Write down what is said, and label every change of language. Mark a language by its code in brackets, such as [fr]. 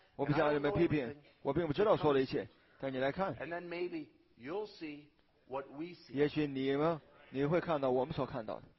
[zh] 我不想你们批评，我并不知道错了一切。但你来看。 [en] And then maybe you'll see what we see. [zh] 也许你会看到我们所看到的。